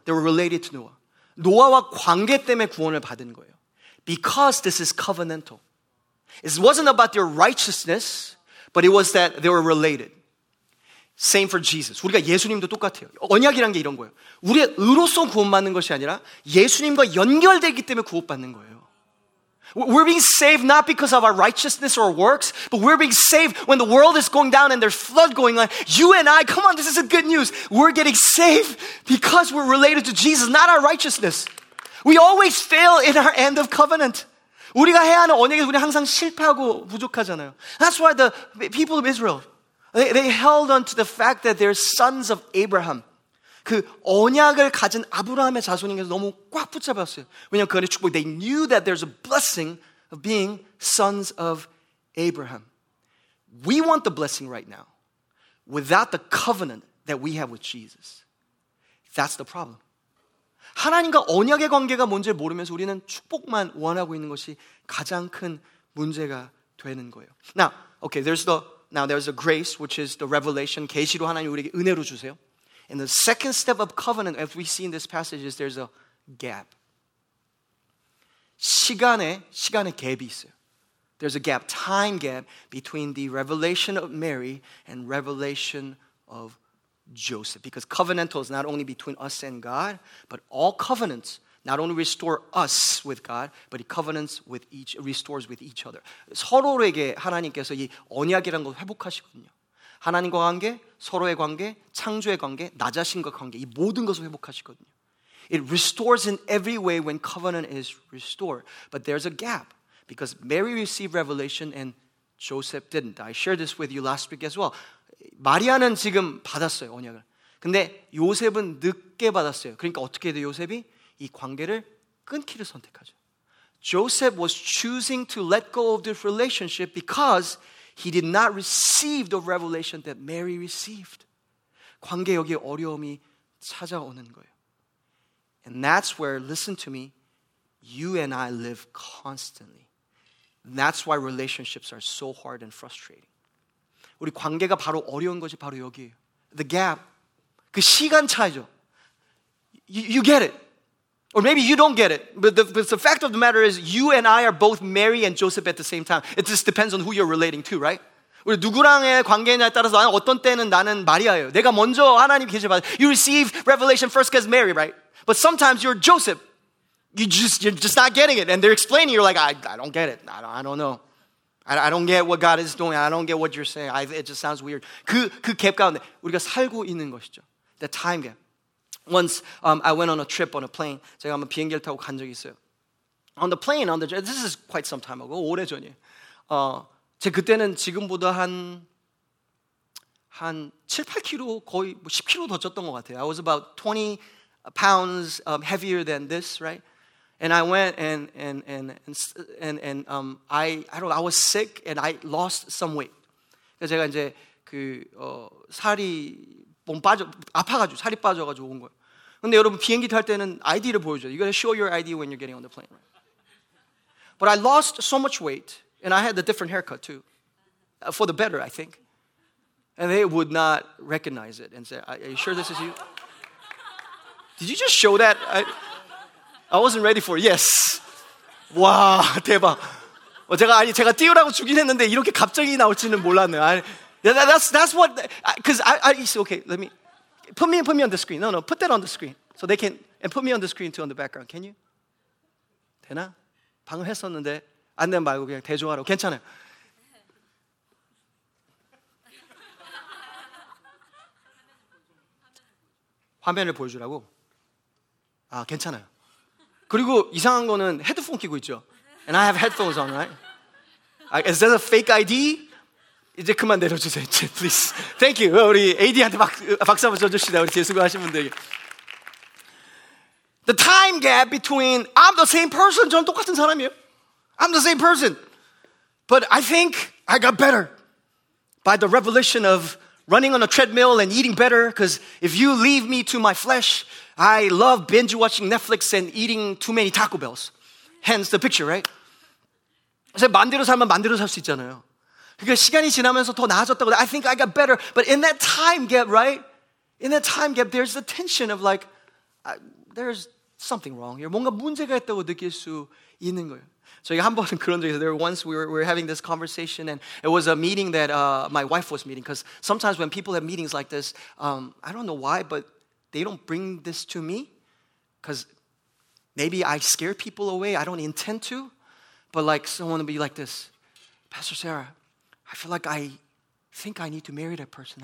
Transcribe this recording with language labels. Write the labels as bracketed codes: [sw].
[en] They were related to Noah. [ko] 노아와 관계 때문에 구원을 받은 거예요. [en] Because this is covenantal. It wasn't about their righteousness, but it was that they were related. Same for Jesus. [ko] 우리가 예수님도 똑같아요. 언약이란 게 이런 거예요. 우리의 의로서 구원받는 것이 아니라 예수님과 연결되기 때문에 구원받는 거예요. [en] We're being saved not because of our righteousness or works, but we're being saved when the world is going down and there's flood going on. You and I, come on, this is a good news. We're getting saved because we're related to Jesus, not our righteousness. We always fail in our end of covenant. [ko] 우리가 해야 하는 언약에 우리 항상 실패하고 부족하잖아요. [en] That's why the people of Israel, they held on to the fact that they're sons of Abraham. [ko] 그 언약을 가진 아브라함의 자손인께서 너무 꽉 붙잡았어요. 왜냐하면 그 안에 축복. [en] They knew that there's a blessing of being sons of Abraham. We want the blessing right now without the covenant that we have with Jesus. That's the problem. [ko] 하나님과 언약의 관계가 뭔지 모르면서 우리는 축복만 원하고 있는 것이 가장 큰 문제가 되는 거예요. [en] Now, okay, there's the grace, which is the revelation. [ko] 계시로 하나님 우리에게 은혜로 주세요. [en] And the second step of covenant, as we see in this passage, is there's a gap. [ko] 시간에 gap이 있어요. [en] There's a gap, time gap, between the revelation of Mary and revelation of Joseph. Because covenantal is not only between us and God, but all covenants not only restore us with God, but restores with each other. [ko] 서로에게 하나님께서 이 언약이라는 걸 회복하시거든요. 하나님과 관계, 서로의 관계, 창조의 관계, 나 자신과 관계, 이 모든 것을 회복하시거든요. [en] It restores in every way when covenant is restored. But there's a gap because Mary received revelation and Joseph didn't. I shared this with you last week as well. [ko] 마리아는 지금 받았어요, 언약을. 근데 요셉은 늦게 받았어요. 그러니까 어떻게 해도 요셉이 이 관계를 끊기를 선택하죠. [en] Joseph was choosing to let go of this relationship because he did not receive the revelation that Mary received. [ko] 관계 여기 어려움이 찾아오는 거예요. [en] And that's where, listen to me, you and I live constantly. And that's why relationships are so hard and frustrating. [ko] 우리 관계가 바로 어려운 것이 바로 여기예요. [en] The gap, [ko] 그 시간 차이죠. [en] You get it. Or maybe you don't get it, but the fact of the matter is you and I are both Mary and Joseph at the same time. It just depends on who you're relating to, right? [ko] 우리 누구랑의 관계냐에 따라서 나는 어떤 때는 나는 마리아예요. 내가 먼저 하나님 계시 받아. [en] You receive revelation first because Mary, right? But sometimes you're Joseph. You're just not getting it. And they're explaining. You're like, I don't get it. I don't know. I don't get what God is doing. I don't get what you're saying. It just sounds weird. [ko] 그 갭 가운데 우리가 살고 있는 것이죠. [en] The time gap. Once I went on a trip on a plane. [ko] 제가 한번 비행기를 타고 간 적이 있어요. [en] On the plane, this is quite some time ago, [ko] 오래전이에요. 제가 그때는 지금보다 한 7, 8kg, 거의 뭐 10kg 더 쪘던 것 같아요. [en] I was about 20 pounds heavier than this, right? And I went I was sick and I lost some weight. [ko] 제가 이제 살이 몸 빠져, 아파가지고 살이 빠져가지고 온 거예요. 근데 여러분 비행기 탈 때는 ID를 보여줘요. [en] You gotta show your ID when you're getting on the plane. Right? But I lost so much weight, and I had a different haircut too, for the better, I think. And they would not recognize it and say, "Are you sure this is you? Did you just show that?" I wasn't ready for it. Yes. [ko] 와 대박. 제가 띄우라고 주긴 했는데 이렇게 갑자기 나올지는 몰랐네요. [en] That's what. Let me. Put me on the screen. No, put that on the screen. So they can, and put me on the screen too on the background. Can you? [ko] 되나? 방금 했었는데 안 된 말고 그냥 대조하라고. 괜찮아요. (웃음) 화면을 보여주라고? 아, 괜찮아요. 그리고 이상한 거는 헤드폰 끼고 있죠. [en] And I have headphones on, right? Is that a fake ID? [ko] 이제 그만 내려주세요, 이제, [en] please. Thank you. [ko] 우리 AD한테 박수 한번 쳐주시다. 우리 재수고하신 분들에게. [en] The time gap between I'm the same person. [ko] 저는 똑같은 사람이에요. [en] I'm the same person. But I think I got better by the revelation of running on a treadmill and eating better. Because if you leave me to my flesh, I love binge watching Netflix and eating too many Taco Bells. Hence the picture, right? [ko] 제가 만대로 살면 만대로 살 수 있잖아요. 그러니까 시간이 지나면서 더 나아졌다고 [en] I think I got better. But in that time gap, right? In that time gap, there's the tension of like, there's something wrong here. [ko] 뭔가 문제가 있다고 느낄 수 있는 거예요. 저희가 한 번 그런 적이 있어요. [en] Once we were having this conversation and it was a meeting that my wife was meeting. Because sometimes when people have meetings like this, I don't know why, but they don't bring this to me. Because maybe I scare people away. I don't intend to. But like someone would be like this, Pastor Sarah, I feel like I think I need to marry that person.